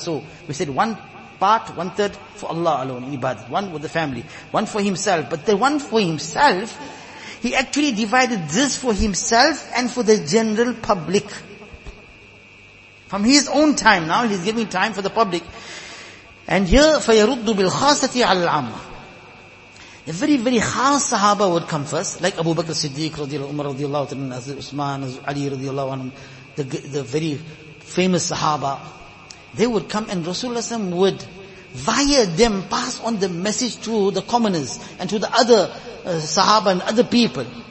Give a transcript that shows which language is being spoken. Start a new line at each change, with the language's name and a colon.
English: So we said one part, one third for Allah alone in ibadah, one with the family, one for himself. But the one for himself, he actually divided this for himself and for the general public. From his own time now, he's giving time for the public. And here,
Arabic: فَيَرُدُّ بِالْخَاسَةِ عَلَى الْعَامَةِ.
English: A very, very khas sahaba would come first, like Abu Bakr Siddiq, radiallahu, Umar, radiallahu, Usman, Ali, radiallahu, the very famous sahaba. They would come and Rasulullah would, via them, pass on the message to the commoners and to the other sahaba and other people.